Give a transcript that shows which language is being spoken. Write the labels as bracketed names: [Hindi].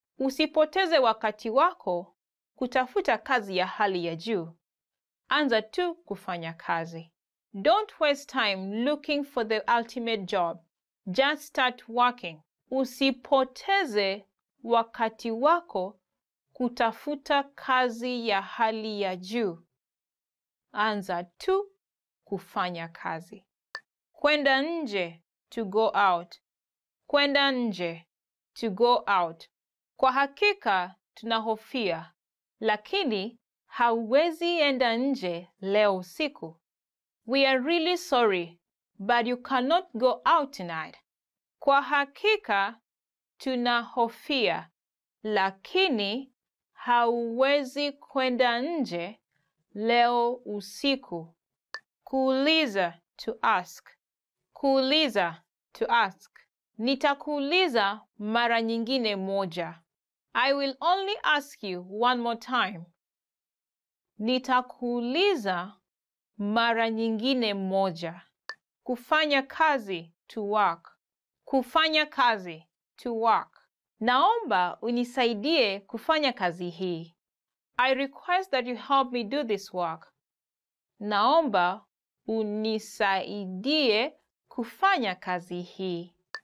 [Swahili] Usipoteze wakati wako kutafuta kazi ya hali ya juu. Anza tu kufanya kazi. [English] Don't waste time looking for the ultimate job. Just start working. [Swahili] Usipoteze wakati wako kutafuta kazi ya hali ya juu. Anza tu kufanya kazi. Kwenda nje, [English] to go out. [Swahili] Kwenda nje, [English] to go out. [Swahili] Kwa hakika, tunahofia. Lakini, hauwezi enda nje leo usiku. [English] We are really sorry, but you cannot go out tonight. [Swahili] Kwa hakika, tunahofia. Lakini, hauwezi kwenda nje leo usiku. Kuuliza, [English] to ask. [Swahili] Kuuliza, [English] to ask. [Swahili] Nitakuuliza mara nyingine moja. [English] I will only ask you one more time. [Swahili] Nitakuuliza mara nyingine moja. Kufanya kazi, [English] to work. [Swahili] Kufanya kazi, [English] to work. [Swahili] Naomba unisaidie kufanya kazi hii. [English] I request that you help me do this work. [Swahili] Naomba unisaidie kufanya kazi hii.